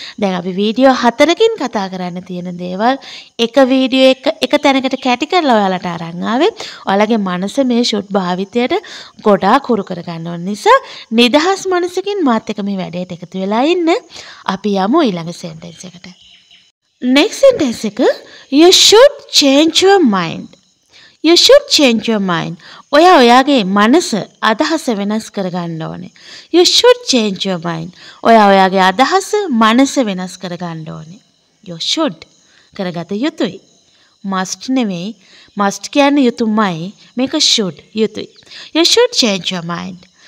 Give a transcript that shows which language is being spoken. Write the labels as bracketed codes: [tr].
[si] දැන් අපි වීඩියෝ හතරකින් කතා කරන්න තියෙන දේවල් එක වීඩියෝ එක එක තැනකට කැටි කරලා ඔයාලට අරන් ආවේ. ඔයාලගේ මනස මේ ෂොට් භාවිතයට ගොඩාක් හුරු කරගන්න ඕන නිසා නිදහස් මනසකින් මාත් එක මේ වැඩේට එකතු වෙලා ඉන්න. අපි යමු ඊළඟ සෙන්ටෙන්ස් එකට. [en] Next sentence [si] එක [en] you should change your mind. You should change your mind. [si] ඔයා ඔයාගේ මනස අදහස වෙනස් කරගන්න ඕනේ. [en] You should change your mind. [si] ඔයා ඔයාගේ අදහස මනස වෙනස් කරගන්න ඕනේ. [en] You should [si] කරගත යුතුයි. Must නෙවෙයි. [en] Must [si] කියන්නේ යුතුමයි. මේක [en] should [si] යුතුයි. [en] You should change your mind.